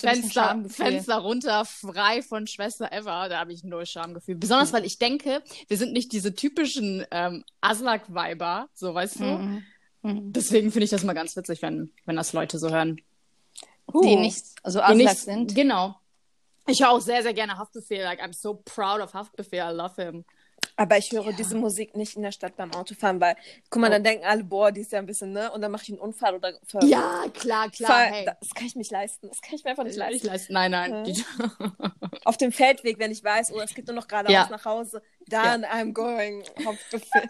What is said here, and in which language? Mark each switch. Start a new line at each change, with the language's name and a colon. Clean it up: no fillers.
German: Fenster runter, frei von Schwester Eva, da habe ich null Schamgefühl. Besonders, weil ich denke, wir sind nicht diese typischen Aslak-Viber, so weißt du. Deswegen finde ich das mal ganz witzig, wenn das Leute so hören. Die nicht so Aslak sind. Genau. Ich höre auch sehr, sehr gerne Haftbefehl.
English: Like, I'm so proud of Haftbefehl, I love him.
German: Aber ich höre diese Musik nicht in der Stadt beim Autofahren, weil, guck mal, dann denken alle, boah, die ist ja ein bisschen, ne? Und dann mache ich einen Unfall oder ja, klar. Hey. Das kann ich mich leisten. Das kann ich mir einfach nicht leisten. Nein. Okay. Auf dem Feldweg, wenn ich weiß, oh, es geht nur noch geradeaus nach Hause, dann
English: I'm going
German: Haftbefehl.